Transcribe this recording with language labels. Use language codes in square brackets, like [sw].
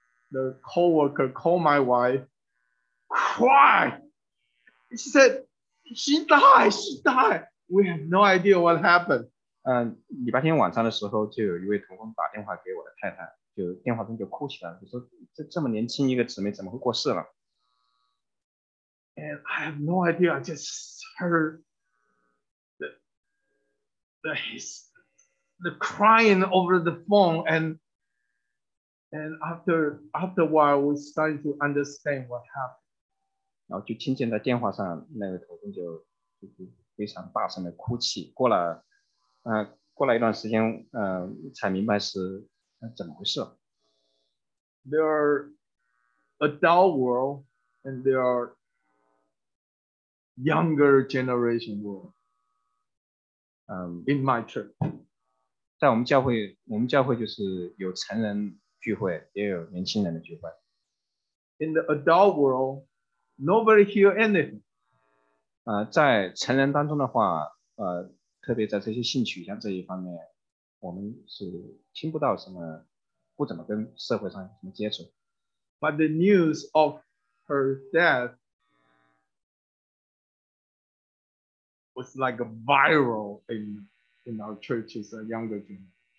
[en] The co-worker called my wife, cried. She said, she died, she died. We have no idea what happened. [zh] 礼拜天晚上的时候就有一位同工打电话给我的太太，就电话中就哭起来了，就说这么年轻一个姊妹怎么会过世了。 [en] And I have no idea, I just heard the crying over the phone, and after a while, we started to understand what happened. [zh] 然后就听见在电话上那个头就非常大声的哭泣。过了一段时间，才明白是怎么回事。 [en] There are adult world, and there are younger generation world. In my church. [zh] 在我们教会，我们教会就是有成人聚会，也有年轻人的聚会。 [en] In the adult world, nobody hear anything. [zh] 在成人当中的话，特别在这些性取向这一方面，我们是听不到什么，不怎么跟社会上什么接触。 [en] But the news of her death was like a viral in our churches, a younger generation.